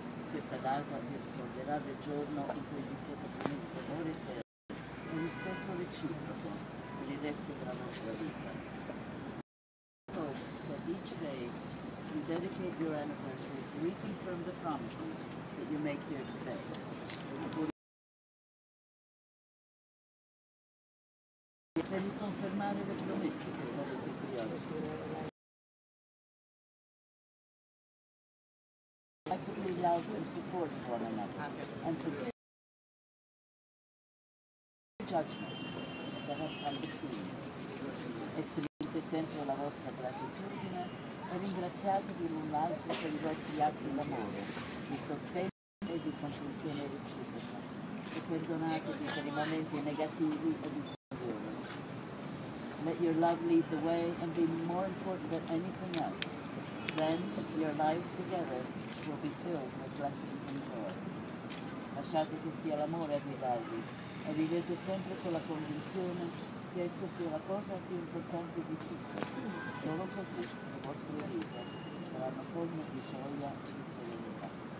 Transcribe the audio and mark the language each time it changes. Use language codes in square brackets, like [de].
[it] Questa data vi ricorderà del giorno in cui vi siete promessi amore e rispetto reciproco per il resto della vostra vita. [en] That each day you dedicate your anniversary to reconfirm the promises that you make here today. [it] Per riconfermare le promesse che fate qui oggi. [en] And support one another, and forgive judgments that have come between you. [it] Esprimete sempre la vostra gratitudine e ringraziatevi l'un l'altro per i vostri atti d'amore, di sostegno e di comprensione reciproca, e perdonatevi per i momenti negativi e di confusione. [en] Let your love lead the way and be more important than anything else. Then your lives together will be filled with blessings and joy. [it] Lasciate che sia l'amore a guidarvi e vivete sempre con la convinzione che esso sia la cosa più importante di tutto. Solo così le vostre vite saranno forme di gioia e di serenità.